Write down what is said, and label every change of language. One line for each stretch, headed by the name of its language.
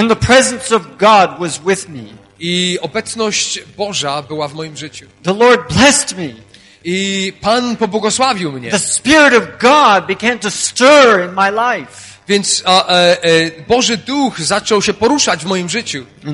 English: And the presence of God was with me.
Polish: I obecność Boża była w moim życiu.
English: The Lord blessed me.
Polish: I Pan pobłogosławił mnie.
English: The Spirit of God began to stir in my life.
Polish: Więc Boży Duch zaczął się poruszać w moim życiu.